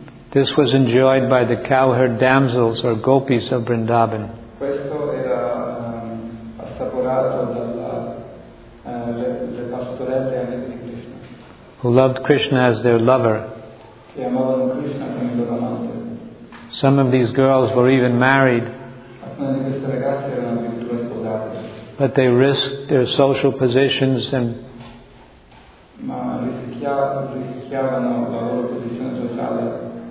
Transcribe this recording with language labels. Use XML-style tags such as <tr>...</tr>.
<en>This was enjoyed by the cowherd damsels or gopis of Vrindavan.</en> <it>Questo era assaporato dalle pastorelle e amiche di Krishna.</it> <en>Who loved Krishna as their lover.</en> <it>Che amavano Krishna come loro amante.</it> <en>Some of these girls were even married.</en> <it>Alcune di queste ragazze erano addirittura sposate.</it> <en>But they risked their social positions and</en> <it>ma rischiavano la loro posizione sociale.</it>